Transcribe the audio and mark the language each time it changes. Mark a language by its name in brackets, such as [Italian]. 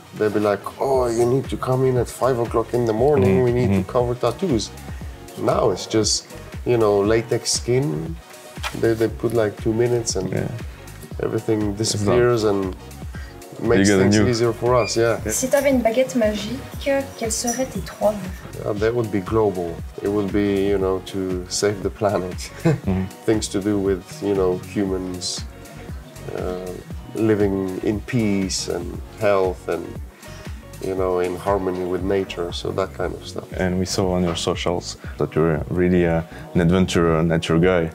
[English] They'd be like, "Oh, you need to come in at 5 o'clock in the morning. Mm-hmm. We need to cover tattoos." Now it's just, you know, latex skin. They put like 2 minutes and everything disappears and makes things easier for us. Yeah. [French] Si t'avais une baguette magique, quelles seraient tes trois vœux? [English] Yeah, that would be global. It would be, you know, to save the planet. Things to do with, you know, humans living in peace and health and, you know, in harmony with nature, so that kind of stuff. And we saw on your socials that you're really an adventurer, nature guy.